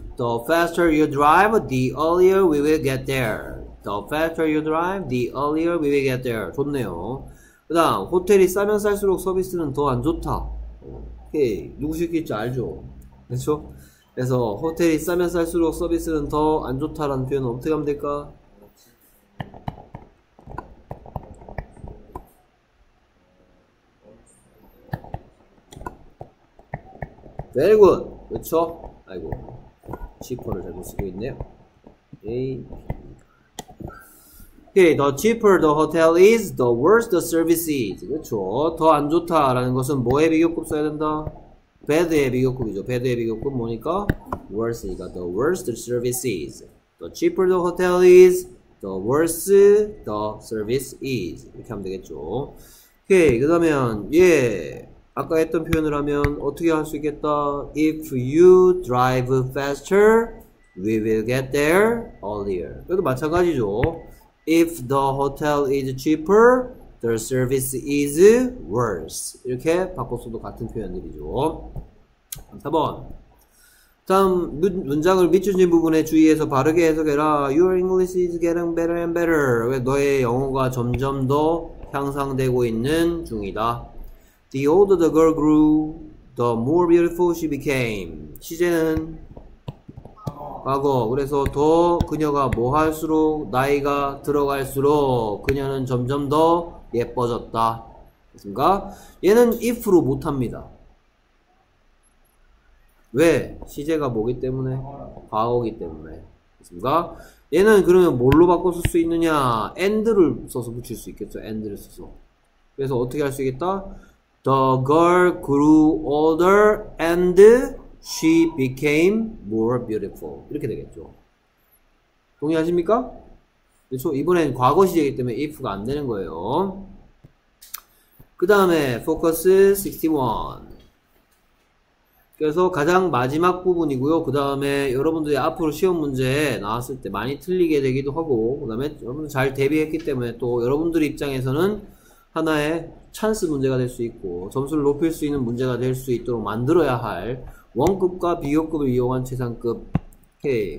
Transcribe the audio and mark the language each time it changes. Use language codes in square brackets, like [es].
[en] The faster you drive, the earlier we will get there. The faster you drive, the earlier we will get there. [ko] 좋네요. 그 다음 호텔이 싸면 쌀수록 서비스는 더 안 좋다. 오케이. 누구 시킬지 알죠? 그렇죠? 그래서 호텔이 싸면 쌀수록 서비스는 더 안 좋다라는 표현은 어떻게 하면 될까? [en] Very good. [ko] 그렇죠? 아이고 지퍼를 잘못 쓰고 있네요. 오케이. [en] Okay, the cheaper the hotel is, the worse the service is. [ko] 그렇죠. 더 안 좋다라는 것은 뭐의 비교급 써야 된다? bad의 비교급이죠. bad의 비교급 뭐니까? worse니까. [en] the worse the service is. the cheaper the hotel is, the worse the service is. [ko] 이렇게 하면 되겠죠. [en] Okay, [ko] 그러면, 예. 아까 했던 표현을 하면 어떻게 할 수 있겠다? [en] if you drive faster, we will get there earlier. [ko] 이것도 마찬가지죠. [en] If the hotel is cheaper, the service is worse. [ko] 이렇게 바꿔서도 같은 표현들이죠. 4번. 다음 문장을 밑줄진 부분에 주의해서 바르게 해석해라. [en] Your English is getting better and better. [ko] 너의 영어가 점점 더 향상되고 있는 중이다. [en] The older the girl grew, the more beautiful she became. [ko] 시제는 과거. 그래서 더 그녀가 뭐 할수록 나이가 들어갈수록 그녀는 점점 더 예뻐졌다. 됐습니까? 얘는 if로 못합니다. 왜? 시제가 뭐기 때문에? 과거기 때문에. 됐습니까? 얘는 그러면 뭘로 바꿔 쓸 수 있느냐? and를 써서 붙일 수 있겠죠. and를 써서. 그래서 어떻게 할 수 있겠다? [en] The girl grew older and She became more beautiful. [ko] 이렇게 되겠죠. 동의하십니까? 그렇죠? 이번엔 과거 시제이기 때문에 if가 안 되는 거예요. 그 다음에 focus 61. 그래서 가장 마지막 부분이고요. 그 다음에 여러분들이 앞으로 시험 문제 나왔을 때 많이 틀리게 되기도 하고 그 다음에 여러분들 잘 대비했기 때문에 또 여러분들 입장에서는 하나의 찬스 문제가 될 수 있고 점수를 높일 수 있는 문제가 될 수 있도록 만들어야 할 원급과 비교급을 이용한 최상급. 오케이.